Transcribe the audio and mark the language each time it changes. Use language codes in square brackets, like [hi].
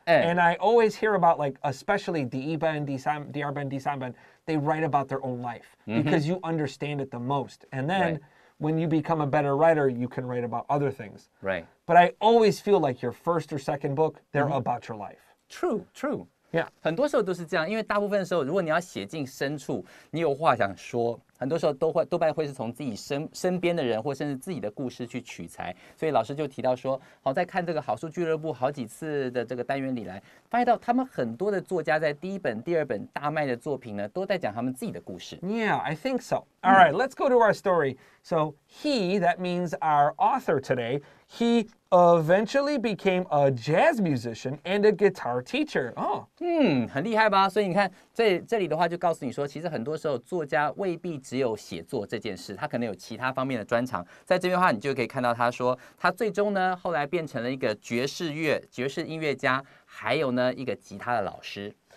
[en] And I always hear about, like, especially [zh] 第一本、第三、第二本、第三本, [en] they write about their own life because you understand it the most. And then... When you become a better writer, you can write about other things. Right. But I always feel like your first or second book, they're about your life. True, true. Yeah. [zh] 很多时候都是这样，因为大部分的时候，如果你要写进深处，你有话想说，很多时候多半会是从自己身边的人或甚至自己的故事去取材。所以老师就提到说，好，在看这个好书俱乐部好几次的这个单元里来，发现到他们很多的作家在第一本、第二本大卖的作品呢，都在讲他们自己的故事。 [en] Yeah, I think so. All right, let's go to our story. So he, that means our author today, he eventually became a jazz musician and a guitar teacher. Oh. [zh] 很厉害吧？所以你看，这里的话就告诉你说，其实很多时候作家未必只有写作这件事，他可能有其他方面的专长。在这边的话，你就可以看到他说，他最终呢，后来变成了一个爵士音乐家，还有呢，一个吉他的老师。